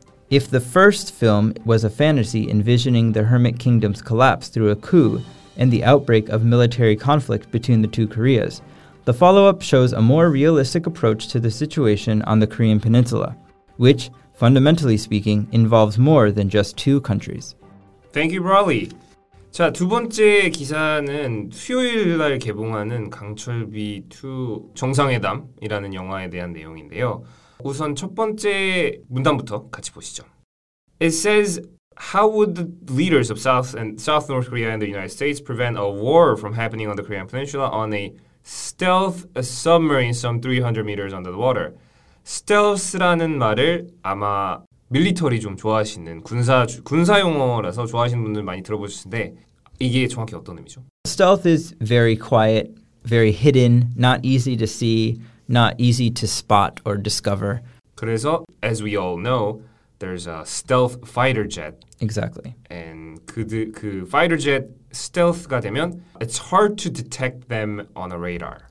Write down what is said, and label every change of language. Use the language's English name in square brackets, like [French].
[English] If the first film was a fantasy envisioning the Hermit Kingdom's collapse through a coup and the outbreak of military conflict between the two Koreas, the follow-up shows a more realistic approach to the situation on the Korean Peninsula, which, fundamentally speaking, involves more than just two countries. Thank you, Brawley. [Korean] 자, 두 번째 기사는 수요일 날 개봉하는 강철비2 정상회담이라는 영화에 대한 내용인데요. 우선 첫 번째 문단부터 같이 보시죠. [English] It says, how would the leaders of South North Korea and the United States prevent a war from happening on the Korean Peninsula on a Stealth a submarine some 300 meters under the water. [Korean] Stealth라는 말을 아마 밀리터리 좀 좋아하시는 군사 용어라서 좋아하시는 분들 많이 들어보셨는데 이게 정확히 어떤 의미죠? [English] Stealth is very quiet, very hidden, not easy to see, not easy to spot or discover. 그래서 as we all know, there's a stealth fighter jet. Exactly. And 그 fighter jet stealth가 되면 it's hard to detect them on a radar.